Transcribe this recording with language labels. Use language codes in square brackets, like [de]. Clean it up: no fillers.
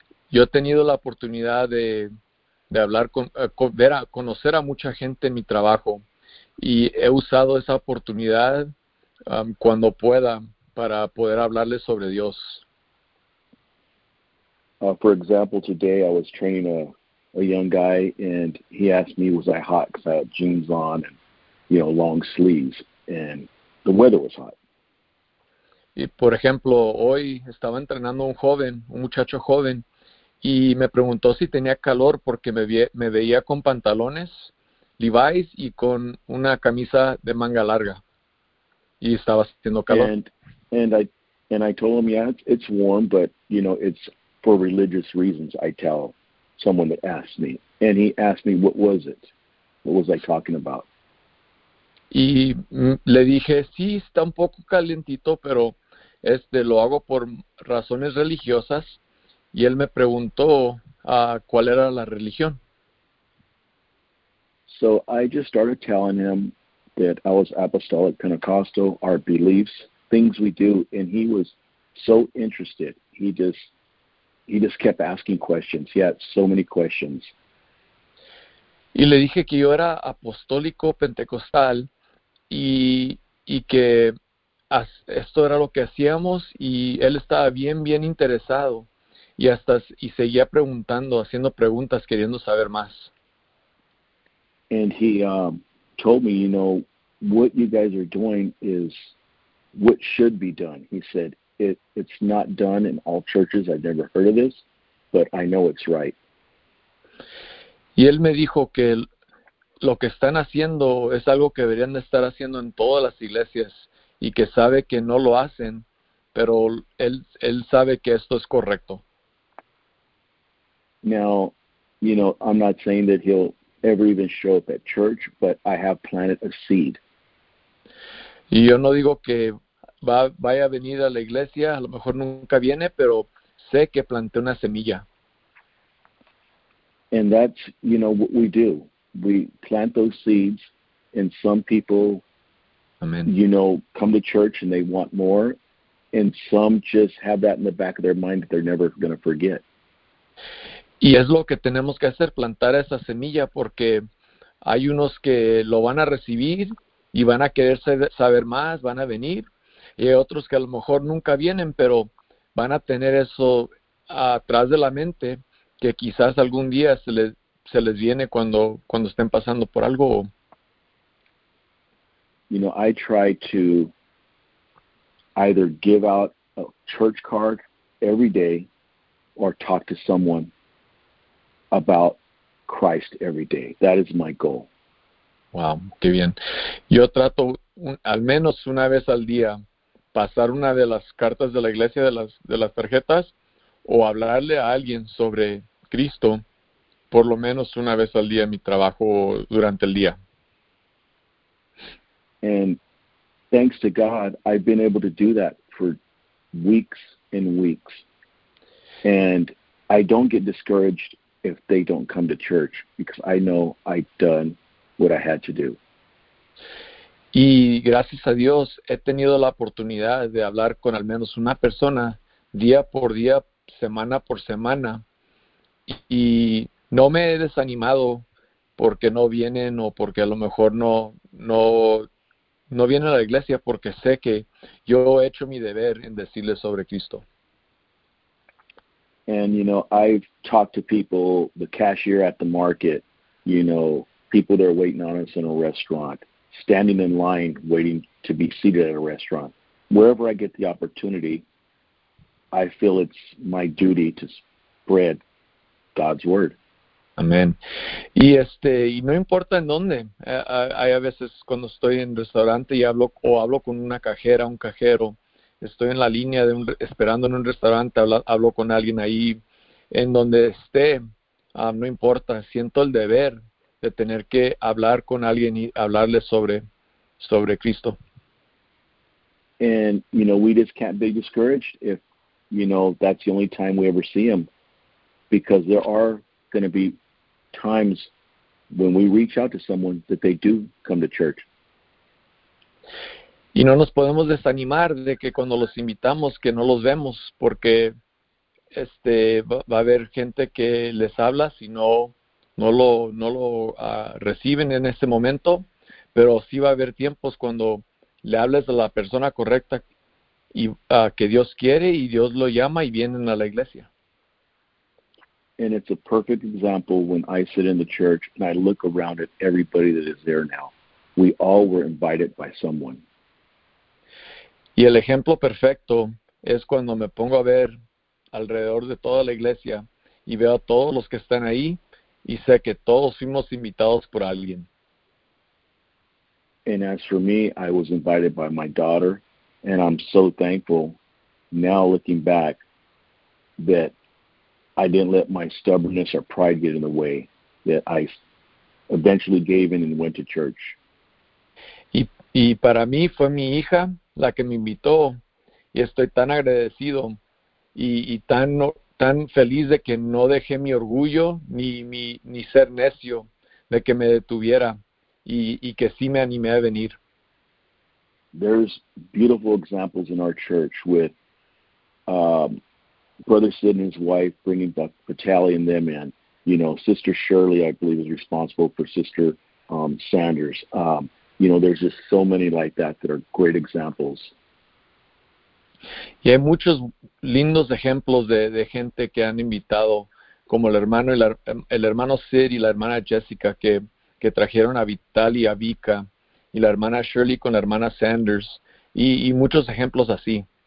[es] Yo he tenido la oportunidad de hablar con ver a conocer a mucha gente en mi trabajo, y he usado esa oportunidad cuando pueda para poder hablarles sobre Dios. [en] For example, today I was training a young guy, and he asked me, was I hot because I had jeans on and, you know, long sleeves, and the weather was hot. [es] Y por ejemplo, hoy estaba entrenando un joven, un muchacho joven, y me preguntó si tenía calor porque me veía con pantalones, Levi's, y con una camisa de manga larga, y estaba sintiendo calor. [en] And I told him, yeah, it's warm, but, you know, it's for religious reasons, I tell someone that asks me. And he asked me, what was it? What was I talking about? [es] Y le dije, sí, está un poco calientito, pero lo hago por razones religiosas. Y él me preguntó cuál era la religión. [en] So I just started telling him that I was Apostolic Pentecostal, our beliefs, things we do. And he was so interested. He just kept asking questions. He had so many questions. [es] Y le dije que yo era apostólico pentecostal y que esto era lo que hacíamos, y él estaba bien, bien interesado y seguía preguntando, haciendo preguntas, queriendo saber más. [en] And he told me, you know, what you guys are doing is what should be done. He said, It's not done in all churches. I've never heard of this, but I know it's right. [es] Y él me dijo que lo que están haciendo es algo que deberían de estar haciendo en todas las iglesias, y que sabe que no lo hacen, pero él sabe que esto es correcto. [en] Now, you know, I'm not saying that he'll ever even show up at church, but I have planted a seed. [es] Y yo no digo que vaya a venir a la iglesia, a lo mejor nunca viene, pero sé que planté una semilla. [en] And that's, you know, what we do. We plant those seeds, and some people, amen, you know, come to church and they want more, and some just have that in the back of their mind that they're never going to forget. [es] Y es lo que tenemos que hacer, plantar esa semilla, porque hay unos que lo van a recibir y van a querer saber más, van a venir. Y hay otros que a lo mejor nunca vienen, pero van a tener eso atrás de la mente, que quizás algún día se les viene cuando estén pasando por algo. [en] You know, I try to either give out a church card every day or talk to someone about Christ every day. That is my goal. [es] Wow, qué bien. Yo trato al menos una vez al día pasar una de las cartas de la iglesia, de las tarjetas, o hablarle a alguien sobre Cristo por lo menos una vez al día en mi trabajo durante el día. [en] And thanks to God, I've been able to do that for weeks and weeks. And I don't get discouraged if they don't come to church, because I know I've done what I had to do. [es] Y gracias a Dios, he tenido la oportunidad de hablar con al menos una persona día por día, semana por semana. Y no me he desanimado porque no vienen, o porque a lo mejor no vienen a la iglesia, porque sé que yo he hecho mi deber en decirles sobre Cristo. [en] And, you know, I've talked to people, the cashier at the market, you know, people that are waiting on us in a restaurant, standing in line waiting to be seated at a restaurant. Wherever I get the opportunity, I feel it's my duty to spread God's word. [es] Amén. Y no importa en dónde, hay a veces cuando estoy en restaurante y hablo o hablo con una cajera, un cajero, estoy en la línea de esperando en un restaurante, hablo con alguien ahí, en donde esté, no importa, siento el deber de tener que hablar con alguien y hablarle sobre Cristo. [en] And, we just can't be discouraged if, that's the only time we ever see him. Because there are going to be times when we reach out to someone that they do come to church. [es] Y no nos podemos desanimar de que cuando los invitamos que no los vemos, porque va a haber gente que les habla si no lo reciben en este momento, pero sí va a haber tiempos cuando le hables a la persona correcta y que Dios quiere y Dios lo llama y vienen a la iglesia. [en] And it's a perfect example when I sit in the church and I look around at everybody that is there now. We all were invited by someone. [es] Y el ejemplo perfecto es cuando me pongo a ver alrededor de toda la iglesia y veo a todos los que están ahí y sé que todos fuimos invitados por alguien. [en] And as for me, I was invited by my daughter, and I'm so thankful now looking back that I didn't let my stubbornness or pride get in the way, that I eventually gave in and went to church. [es] Y para mí fue mi hija la que me invitó y estoy tan agradecido y tan feliz de que no dejé mi orgullo ni ser necio de que me detuviera y que sí me animé a venir. [en] There's beautiful examples in our church with, Brother Sid and his wife bringing Buck Vitale and them in. Sister Shirley, I believe, is responsible for Sister Sanders. There's just so many like that that are great examples. [es] Y hay muchos lindos ejemplos de gente que han invitado, como el hermano Sid y la hermana Jessica, que trajeron a Vital y a Vika, y la hermana Shirley con la hermana Sanders, y muchos ejemplos así.